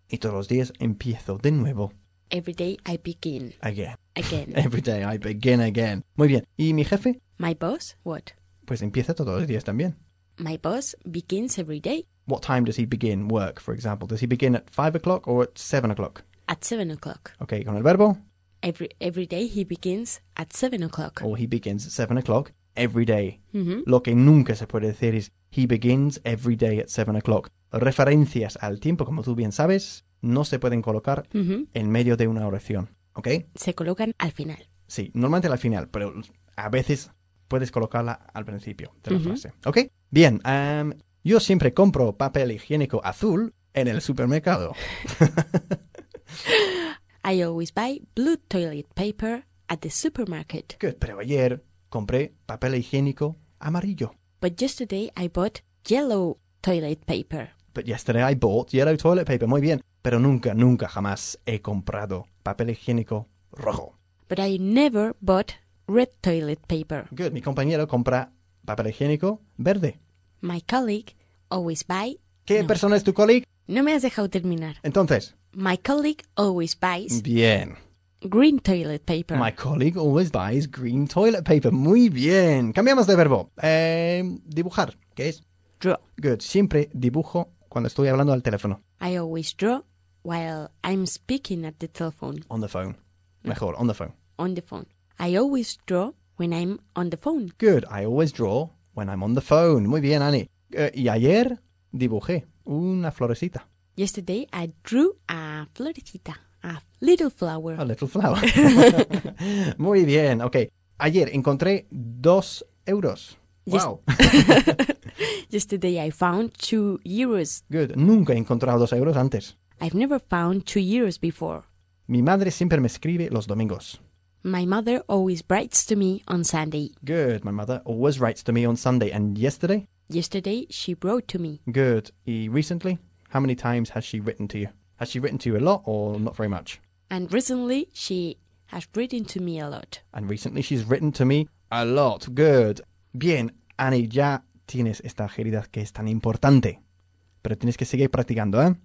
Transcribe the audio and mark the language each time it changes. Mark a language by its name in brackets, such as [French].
[Spanish] Y todos los días empiezo de nuevo. [English] Every day I begin. Again. Every day I begin again. [Spanish] Muy bien. ¿Y mi jefe? [English] My boss, what? [Spanish] Pues empieza todos los días también. [English] My boss begins every day. What time does he begin work, for example? Does he begin at 5 o'clock or at 7 o'clock? At 7 o'clock. [Spanish] Okay, con el verbo? [English] Every day he begins at 7 o'clock. Or he begins at 7 o'clock. Every day. Mm-hmm. [Spanish] Lo que nunca se puede decir es [English] he begins every day at 7 o'clock. [Spanish] Referencias al tiempo, como tú bien sabes, no se pueden colocar mm-hmm. en medio de una oración, ¿ok? Se colocan al final. Sí, normalmente al final, pero a veces puedes colocarla al principio de la mm-hmm. frase, ¿ok? Bien, yo siempre compro papel higiénico azul en el supermercado. [English] I always buy blue toilet paper at the supermarket. [Spanish] Good, pero ayer... compré papel higiénico amarillo. [English] But yesterday I bought yellow toilet paper. But yesterday I bought yellow toilet paper. [Spanish] Muy bien. Pero nunca, nunca jamás he comprado papel higiénico rojo. [English] But I never bought red toilet paper. Good. [Spanish] Mi compañero compra papel higiénico verde. [English] My colleague always buy... [Spanish] ¿Qué no. persona es tu colleague? No me has dejado terminar. Entonces. [English] My colleague always buys... Bien. Green toilet paper. My colleague always buys green toilet paper. [Spanish] Muy bien. Cambiamos de verbo. Dibujar. ¿Qué es? [English] Draw. Good. [Spanish] Siempre dibujo cuando estoy hablando al teléfono. [English] I always draw while I'm speaking at the telephone. On the phone. [Spanish] Mejor, [English] on the phone. On the phone. I always draw when I'm on the phone. Good. I always draw when I'm on the phone. [Spanish] Muy bien, Annie. Y ayer dibujé una florecita. [English] Yesterday I drew a florecita. A little flower. A little flower. [Spanish] Muy bien, ok. Ayer encontré 2 euros. Wow. [English] Yesterday I found 2 euros. [Spanish] Good. Nunca he encontrado 2 euros antes. [English] I've never found 2 euros before. [Spanish] Mi madre siempre me escribe los domingos. [English] My mother always writes to me on Sunday. Good. My mother always writes to me on Sunday. And yesterday? Yesterday she wrote to me. Good. ¿Y recently? How many times has she written to you? Has she written to you a lot or not very much? And recently, she has written to me a lot. And recently, she's written to me a lot. Good. [Spanish] Bien, Annie, ya tienes esta agilidad que es tan importante. Pero tienes que seguir practicando, ¿eh?